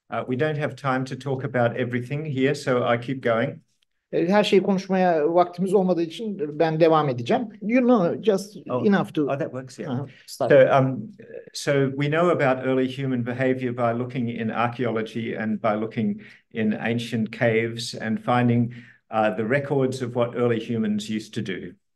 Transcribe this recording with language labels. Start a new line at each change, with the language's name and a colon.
English: We don't have time to talk about everything here, so I keep going.
Turkish: Her şeyi konuşmaya vaktimiz olmadığı için ben devam edeceğim.
English: You know, just enough to... Oh, that works, yeah. So we know about early human behavior by looking in archaeology and by looking in ancient caves and finding the records of what early humans used to do.